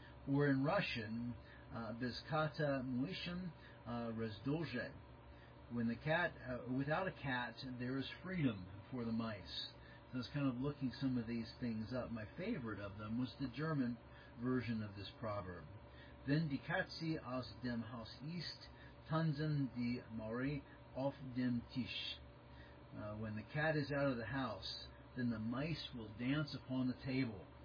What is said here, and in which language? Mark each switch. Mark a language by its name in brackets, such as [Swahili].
[English] Or in Russian, [Russian] "Bezkata muishim razdolzhe." [English] When the cat, without a cat, there is freedom for the mice. So I was kind of looking some of these things up. My favorite of them was the German version of this proverb. [German] Wenn die Katze aus dem Haus ist, tanzen die Maure auf dem Tisch. [English] When the cat is out of the house, then the mice will dance upon the table.